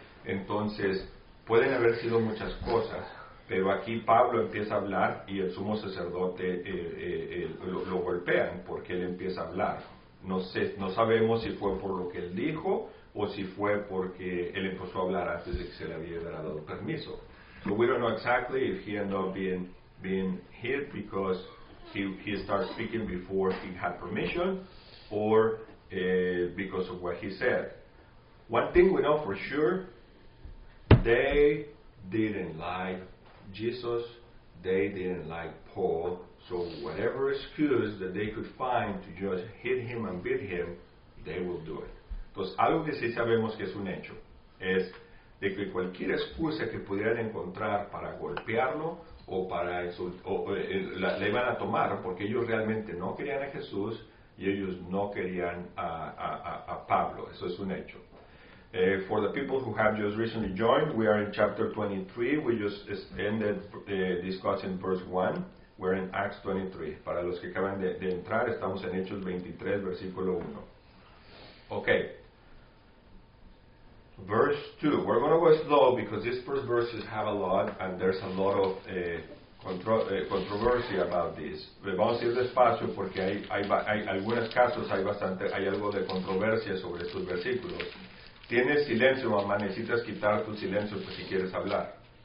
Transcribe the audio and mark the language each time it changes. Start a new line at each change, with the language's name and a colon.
Spanish: Entonces, pueden haber sido muchas cosas, pero aquí Pablo empieza a hablar y el sumo sacerdote lo golpean porque él empieza a hablar. No sé, no sabemos si fue por lo que él dijo o si fue porque él empezó a hablar antes de que se le hubiera dado permiso.
English: So we don't know exactly if he ended up being hit because he started speaking before he had permission or because of what he said. One thing we know for sure, they didn't like Jesus, they didn't like Paul, so whatever excuse that they could find to just hit him and beat him, they will do it.
Spanish: Entonces, algo que sí sabemos que es un hecho es de que cualquier excusa que pudieran encontrar para golpearlo o para insultarlo, le iban a tomar, porque ellos realmente no querían a Jesús y ellos no querían a Pablo. Eso es un hecho.
English: For the people who have just recently joined, we are in chapter 23. We just ended discussing verse 1. We're in Acts 23.
Spanish: Para los que acaban de entrar, estamos en Hechos 23, versículo 1.
English: Okay. Verse 2. We're going to go slow because these first verses have a lot and there's a lot of controversy about this.
Spanish: Vamos a ir despacio porque hay algunos casos, hay algo de controversia sobre estos versículos. Tienes silencio, mamá, necesitas quitar tu silencio pues, si quieres hablar.